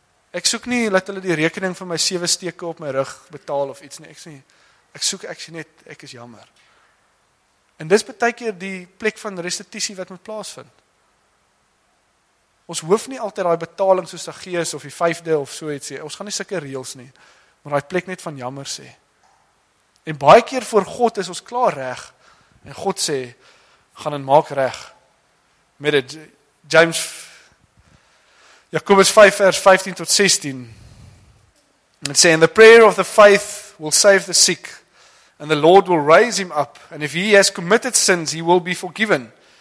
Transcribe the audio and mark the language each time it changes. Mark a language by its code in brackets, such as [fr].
[af] Ek soek nie, laat hulle die rekening van my 7 steke op my rug betaal of iets nie. Ek is jammer. En dis baie keer die plek van restitusie wat moet plaasvind. Ons hoef nie altyd daai betaling soos die gees of die 5de of so iets sê. Ons gaan nie sulke reels nie, maar daai plek net van jammer sê. En baie keer voor God is ons klaar reg en God sê, gaan en maak reg. Met dit, James Jakobus 5 vers 15 tot 16. [en] It says, and the prayer of the faith will save the sick, and the Lord will raise him up, and if he has committed sins, he will be forgiven.